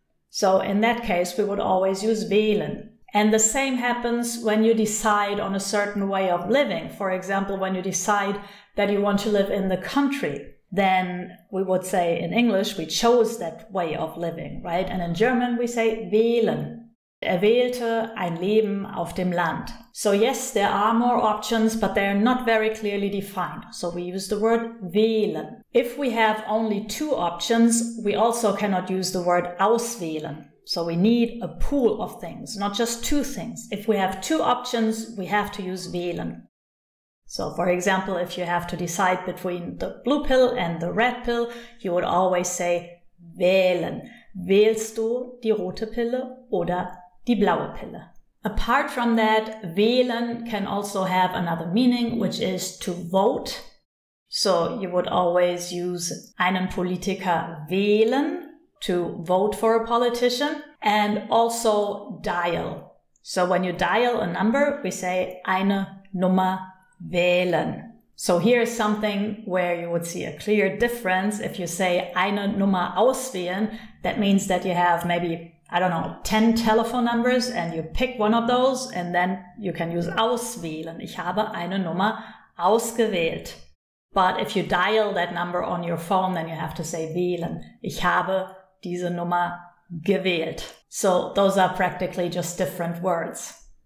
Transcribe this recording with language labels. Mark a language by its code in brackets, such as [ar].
[en] So in that case, we would always use wählen. And the same happens when you decide on a certain way of living. For example, when you decide that you want to live in the country, then we would say in English, we chose that way of living, right? And in German, we say wählen. [de] Er wählte ein Leben auf dem Land. [en] So yes, there are more options, but they're not very clearly defined. So we use the word wählen. If we have only two options, we also cannot use the word auswählen. So we need a pool of things, not just two things. If we have two options, we have to use wählen. So for example, if you have to decide between the blue pill and the red pill, you would always say wählen. [de] Wählst du die rote Pille oder die blaue Pille? [en] Apart from that, wählen can also have another meaning, which is to vote. So you would always use [de] einen Politiker wählen, [en] to vote for a politician, and also dial. So when you dial a number, we say [de] eine Nummer wählen. [en] So here is something where you would see a clear difference. If you say [de] eine Nummer auswählen, [en] that means that you have maybe, I don't know, 10 telephone numbers and you pick one of those and then you can use auswählen. [de] Ich habe eine Nummer ausgewählt. [en] But if you dial that number on your phone, then you have to say wählen. [de] Ich habe diese Nummer gewählt. [en] So those are practically just different words.